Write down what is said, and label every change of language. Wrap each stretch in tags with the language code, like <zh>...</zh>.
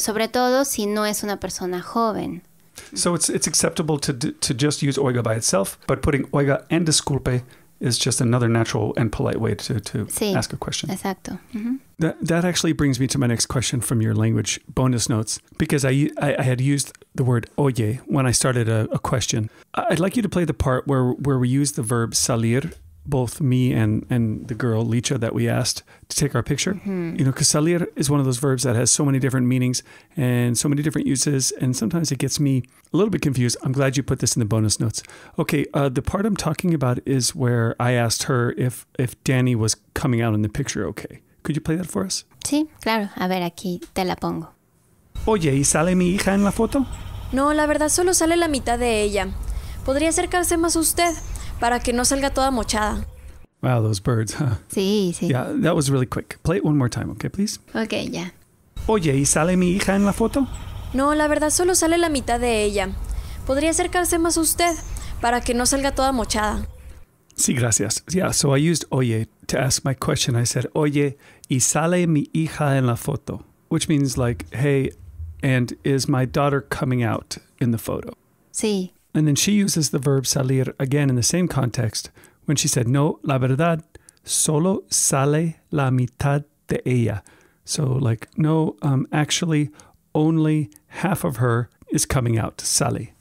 <es>Sobre todo si no es una persona joven.</es> <en>So it's acceptable to just use oiga by itself, but putting oiga and disculpe is just another natural and polite way to</en> <es>sí,</es> <en>ask a question.</en> <es>Exacto. Mm-hmm.</es> <en>That actually brings me to my next question from your language bonus notes, because I had used the word oye when I started a question. I'd like you to play the part where we use the verb salir, both me and the girl, Licha, that we asked to take our picture. Mm-hmm. You know, because salir is one of those verbs that has so many different meanings and so many different uses. And sometimes it gets me a little bit confused. I'm glad you put this in the bonus notes. Okay, the part I'm talking about is where I asked her if Dani was coming out in the picture. Okay, could you play that for us?</en> <es>Sí, claro. A ver, aquí te la pongo. Oye, ¿y sale mi hija en la foto? No, la verdad, solo sale la mitad de ella. ¿Podría acercarse más usted? Para que no salga toda mochada.</es> <en>Wow, those birds, huh?</en> <es>Sí, sí.</es> <en>Yeah, that was really quick. Play it one more time, okay, please? Okay, ya. Yeah.</en> <es>Oye, ¿y sale mi hija en la foto? No, la verdad, solo sale la mitad de ella. ¿Podría acercarse más usted para que no salga toda mochada? Sí, gracias.</es> <en>Yeah, so I used oye to ask my question. I said,</en> <es>oye, ¿y sale mi hija en la foto?</es> <en>Which means like, hey, and is my daughter coming out in the photo?</en> <es>Sí.</es> <en>And then she uses the verb salir again in the same context when she said,</en> <es>no, la verdad, solo sale la mitad de ella.</es> <en>So like, no, actually, only half of her is coming out, sale.</en>